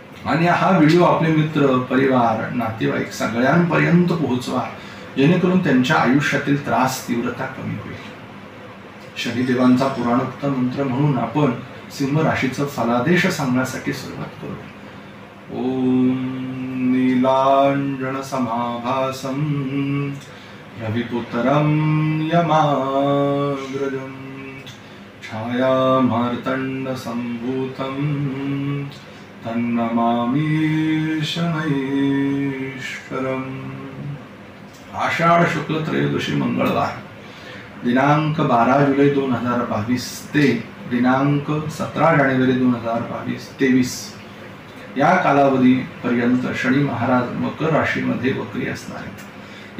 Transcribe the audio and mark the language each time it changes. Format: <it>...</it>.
<mr>आणि हा व्हिडिओ आपले मित्र, परिवार, नातेवाईक सगळ्यांपर्यंत पोहोचवा, जेणेकरून त्यांच्या आयुष्यातील त्रास तीव्रता कमी होईल। शनिदेवांचा पुराणोक्त मंत्र म्हणून आपण सिंह राशीचा फलादेश सांगण्यासाठी सुरुवात करू।</mr> <sa>ओम नीलांजन समाभासम रविपुत्रम यमाग्रजम छायामार्तंड संभूतम तन्नमामि शनैश्वरम।</sa> <mr>आषाढ शुक्ल त्रयोदशी मंगळवार, दिनांक 12 जुलै 2022 ते दिनांक 17 जानेवारी 2022 या कालावधी पर्यंत शनि महाराज मकर राशीमध्ये वक्री असणार आहेत।</mr>